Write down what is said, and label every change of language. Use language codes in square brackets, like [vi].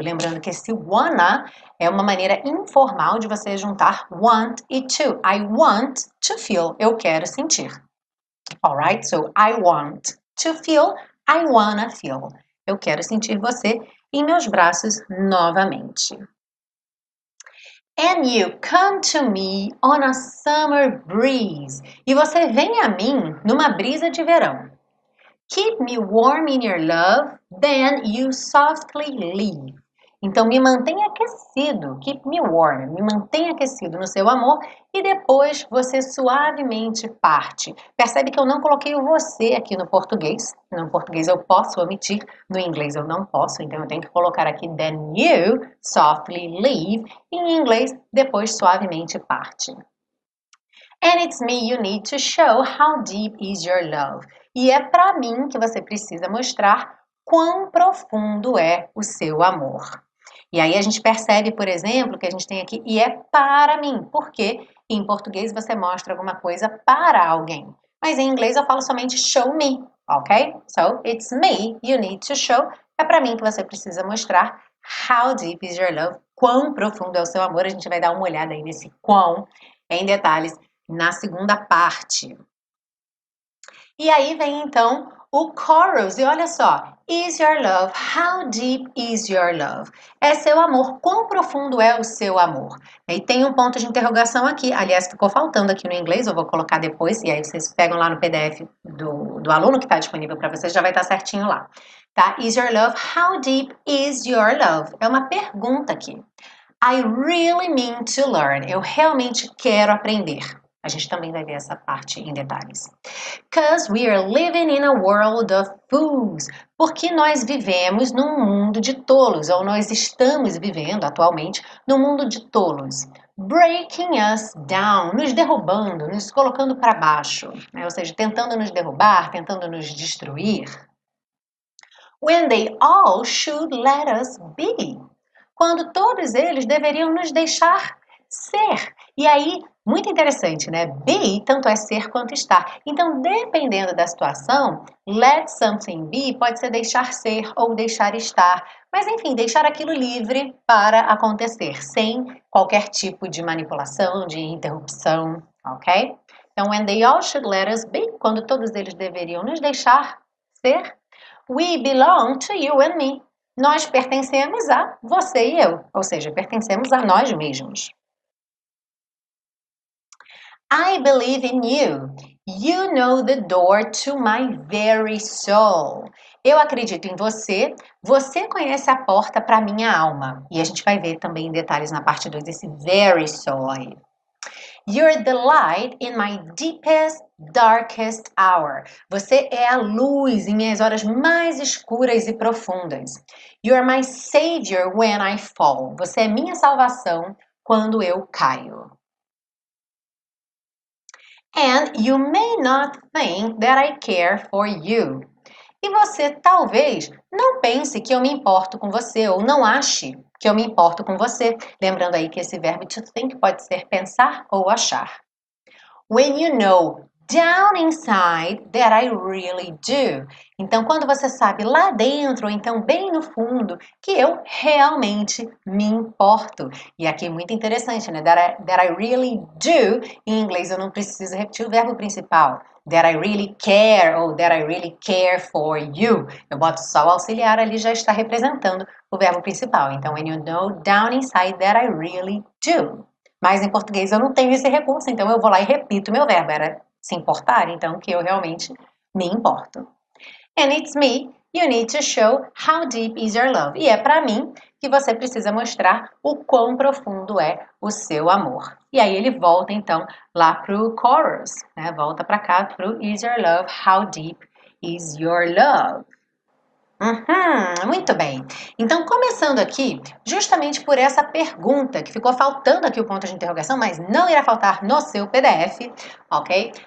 [pt] Lembrando que esse wanna é uma maneira informal de você juntar want e to. [en] I want to feel. [pt] Eu quero sentir. [en] Alright? So, I want to feel. I wanna feel. [pt] Eu quero sentir você em meus braços novamente. [en] And you come to me on a summer breeze. [pt] E você vem a mim numa brisa de verão. [en] Keep me warm in your love, then you softly leave. [pt] Então me mantenha aquecido. [en] Keep me warm. [pt] Me mantenha aquecido no seu amor e depois você suavemente parte. Percebe que eu não coloquei o você aqui no português. No português eu posso omitir, no inglês eu não posso. Então eu tenho que colocar aqui [en] then you softly leave. [pt] E em inglês depois suavemente parte. [en] And it's me you need to show how deep is your love. [pt] E é para mim que você precisa mostrar quão profundo é o seu amor. E aí a gente percebe, por exemplo, que a gente tem aqui e é para mim, porque em português você mostra alguma coisa para alguém. Mas em inglês eu falo somente show me, ok? [en] So it's me you need to show. [pt] É para mim que você precisa mostrar [en] how deep is your love, [pt] quão profundo é o seu amor. A gente vai dar uma olhada aí nesse quão em detalhes na segunda parte. E aí vem então o chorus, e olha só. [en] Is your love? How deep is your love? [pt] É seu amor? Quão profundo é o seu amor? E tem um ponto de interrogação aqui. Aliás, ficou faltando aqui no inglês. Eu vou colocar depois. E aí vocês pegam lá no PDF do aluno que está disponível para vocês. Já vai estar certinho lá. Tá? [en] Is your love? How deep is your love? [pt] É uma pergunta aqui. [en] I really mean to learn. [pt] Eu realmente quero aprender. A gente também vai ver essa parte em detalhes. [en] Because we are living in a world of fools. [pt] Porque nós vivemos num mundo de tolos, ou nós estamos vivendo atualmente num mundo de tolos. [en] Breaking us down, [pt] nos derrubando, nos colocando para baixo, né? Ou seja, tentando nos derrubar, tentando nos destruir. [en] When they all should let us be. [pt] Quando todos eles deveriam nos deixar ser. E aí, muito interessante, né? Be, tanto é ser quanto estar. Então, dependendo da situação, let something be pode ser deixar ser ou deixar estar. Mas, enfim, deixar aquilo livre para acontecer, sem qualquer tipo de manipulação, de interrupção, ok? [en] Então, when they all should let us be, [pt] quando todos eles deveriam nos deixar ser, [en] we belong to you and me. [pt] Nós pertencemos a você e eu, ou seja, pertencemos a nós mesmos. [en] I believe in you. You know the door to my very soul. [pt] Eu acredito em você. Você conhece a porta para minha alma. E a gente vai ver também detalhes na parte 2 desse very soul aí. [en] You're the light in my deepest, darkest hour. [pt] Você é a luz em minhas horas mais escuras e profundas. [en] You're my savior when I fall. [pt] Você é minha salvação quando eu caio. [en] And you may not think that I care for you. [pt] E você talvez não pense que eu me importo com você, ou não ache que eu me importo com você. Lembrando aí que esse verbo to think pode ser pensar ou achar. [en] When you know down inside that I really do. [pt] Então, quando você sabe lá dentro, ou então bem no fundo, que eu realmente me importo. E aqui é muito interessante, né? [en] That I really do. [pt] Em inglês, eu não preciso repetir o verbo principal. [en] That I really care, ou that I really care for you. [pt] Eu boto só o auxiliar ali, já está representando o verbo principal. [en] Então, when you know down inside that I really do. [pt] Mas em português, eu não tenho esse recurso, então eu vou lá e repito meu verbo. Era se importar, então, que eu realmente me importo. [en] And it's me, you need to show how deep is your love. [pt] E é para mim que você precisa mostrar o quão profundo é o seu amor. E aí ele volta então lá pro chorus, né? Volta para cá pro [en] is your love, how deep is your love? [pt] Muito bem. Então, começando aqui, justamente por essa pergunta que ficou faltando aqui o ponto de interrogação, mas não irá faltar no seu PDF, ok?